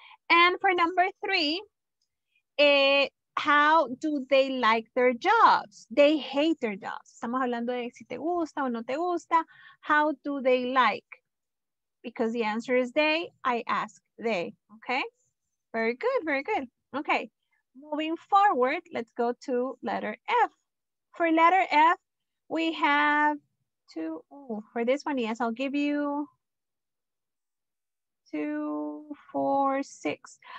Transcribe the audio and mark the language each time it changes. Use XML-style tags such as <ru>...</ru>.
<en>And for number three, how do they like their jobs? They hate their jobs.</en> <es>Estamos hablando de si te gusta o no te gusta.</es> <en>How do they like? Because the answer is they, I ask they, okay? Very good, very good. Okay, moving forward, let's go to letter F. For letter F, we have for this one, yes, I'll give you 2, 4, 6.</en>